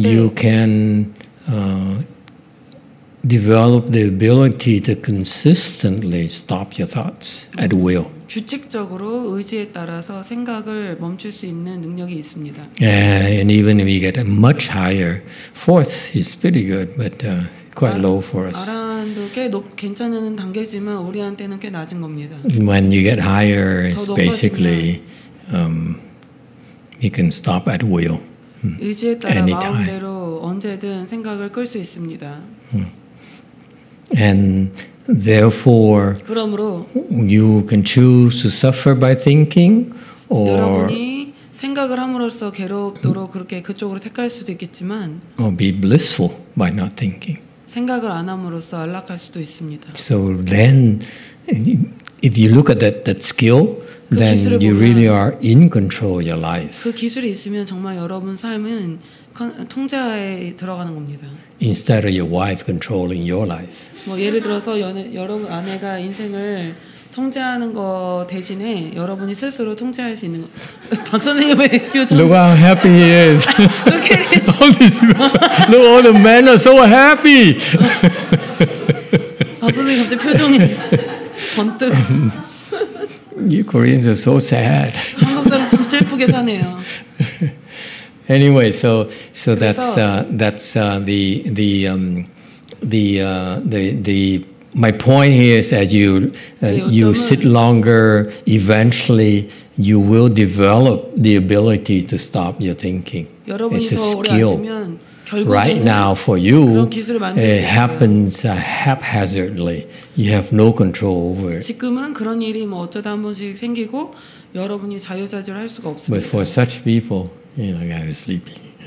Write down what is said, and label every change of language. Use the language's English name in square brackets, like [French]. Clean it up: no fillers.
[English] you can develop the ability to consistently stop your thoughts at will. [Korean] 규칙적으로 의지에 따라서 생각을 멈출 수 있는 능력이 있습니다. [English] And even if you get a much higher fourth, it's pretty good, but quite low for us. [Korean] 아라한도 꽤 높, 괜찮은 단계지만 우리한테는 꽤 낮은 겁니다. [English] When you get higher, it's basically you can stop at will. [Korean] 의지에 따라 anytime. 마음대로 언제든 생각을 끌 수 있습니다. [English] And therefore, [Korean] 그러므로, [English] you can choose to suffer by thinking, or [Korean] 여러분이 생각을 함으로써 괴롭도록 그렇게 그쪽으로 택할 수도 있겠지만, [English] or be blissful by not thinking. [Korean] 생각을 안 함으로써 안락할 수도 있습니다. [English] So then, if you look at that skill, then you really are in control of your life. [Korean] 그 기술이 있으면 정말 여러분 삶은 통제에 들어가는 겁니다. [English] Instead of your wife controlling your life. [Korean] 뭐 예를 들어서 여러분 아내가 인생을 통제하는 거 대신에 여러분이 스스로 통제할 수 있는 거. 박 선생님의 표정. [English] Look how happy he is. Look at his. Look, all the men are so happy. [Korean] 박 선생님 갑자기 표정이 번뜩. [English] You Koreans are so sad. [Korean] 한국 사람 참 슬프게 사네요. [English] Anyway, so that's the my point here is as you sit longer, eventually you will develop the ability to stop your thinking. It's a skill. 앉으면, right now for you, it happens haphazardly. You have no control over it. [Korean] 지금은 그런 일이 뭐 어쩌다 한 번씩 생기고 여러분이 자유자재로 할 수가 없습니다. [English] But for such people, you know, like I was sleeping.